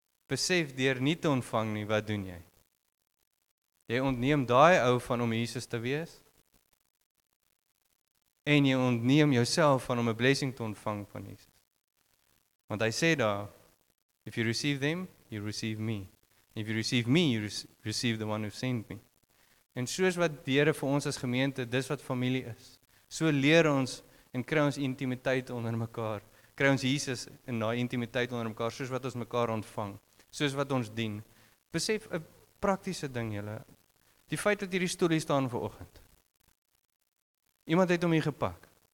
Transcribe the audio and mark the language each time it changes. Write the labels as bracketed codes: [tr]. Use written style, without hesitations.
[af] Besef deur nie te ontvang nie, wat doen jy? Jy ontneem daai ou van om Jesus te wees, en jy ontneem jouself van om 'n blessing te ontvang van Jesus. Want hy sê daar, [en] if you receive them, you receive me. If you receive me, you receive the one who sent me. [af] En soos wat deure vir ons as gemeente, dis wat familie is. So leer ons en kry ons intimiteit onder mekaar. Kry ons Jesus in daai intimiteit onder mekaar, soos wat ons mekaar ontvang. Soos wat ons dien. Besef 'n praktiese ding julle. Die feit dat hierdie stoel hier staan vanoggend. Iemand het hom hier gepak.